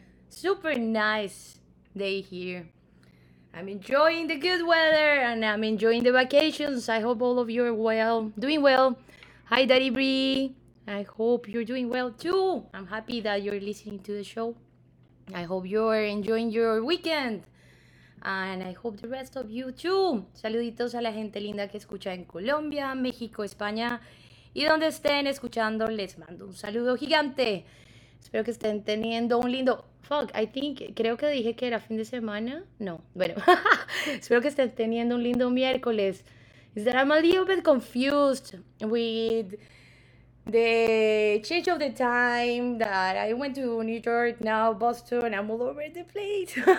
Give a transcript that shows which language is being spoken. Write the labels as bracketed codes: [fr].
[en] Super nice day here. I'm enjoying the good weather and I'm enjoying the vacations. I hope all of you are well, doing well. Hi Daddy Bree, I hope you're doing well too. I'm happy that you're listening to the show. I hope you're enjoying your weekend. And I hope the rest of you too. [es] Saluditos a la gente linda que escucha en Colombia, México, España y donde estén escuchando, les mando un saludo gigante. Espero que estén teniendo un lindo... creo que dije que era fin de semana. No, bueno. Espero que estén teniendo un lindo miércoles. [en] Is that I'm a little bit confused with the change of the time that I went to New York, now Boston, and I'm all over the place.